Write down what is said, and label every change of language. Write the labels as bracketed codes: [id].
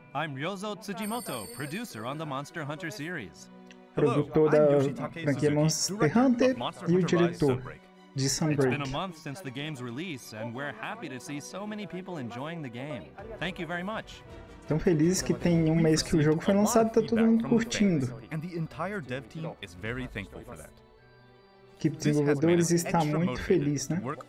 [en] I'm Ryozo Tsujimoto, producer on the Monster Hunter series. [pt] Produtor da franquia Monster Hunter e o diretor de Sunbreak. [en] It's been a month since the game's release and we're happy to see so many people enjoying the game. Thank you very much. [pt] Tão feliz que tem um mês que o jogo foi lançado, tá todo mundo curtindo. [en] And the entire dev team is very thankful for that. [pt] Equipe de desenvolvedores está muito feliz, né?